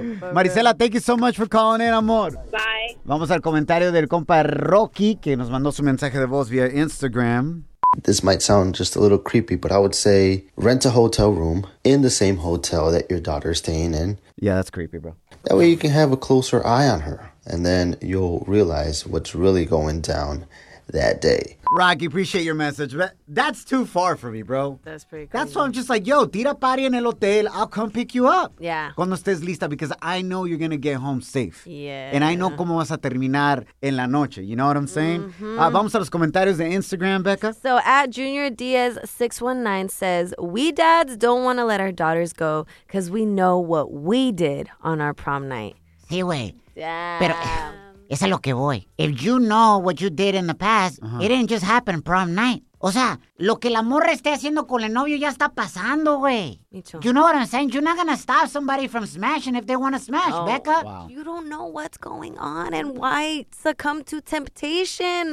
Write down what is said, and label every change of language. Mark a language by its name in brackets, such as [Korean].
[English] Marisela, thank you so much for calling in, amor. Bye. [Spanish] Vamos al comentario del compa Rocky, que nos mandó su mensaje de voz via Instagram. [English] This might sound just a little creepy, but I would say rent a hotel room in the same hotel that your daughter's staying in. Yeah, that's creepy, bro. That way you can have a closer eye on her, and then you'll realize what's really going down that day. Rocky, appreciate your message, but that's too far for me, bro. That's pretty cool. That's why I'm just like, yo, [Spanish] tira party en el hotel. [English] I'll come pick you up. Yeah. [Spanish] Cuando estés lista, [English] because I know you're going to get home safe. Yeah. And I know [Spanish] cómo vas a terminar en la noche. [English] You know what I'm saying? Mm-hmm. [Spanish] Vamos a los comentarios de Instagram, Becca. [English] So at Junior Diaz 619 says, we dads don't want to let our daughters go because we know what we did on our prom night. [Spanish] Sí, güey. [English] Yeah. [Spanish] Pero... Es a lo que voy. [English] If you know what you did in the past, It didn't just happen prom night. [Spanish] O sea, lo que la morra esté haciendo con el novio ya está pasando, güey. [English] You know what I'm saying? You're not going to stop somebody from smashing if they want to smash, Becca. Wow. You don't know what's going on and why succumb to temptation.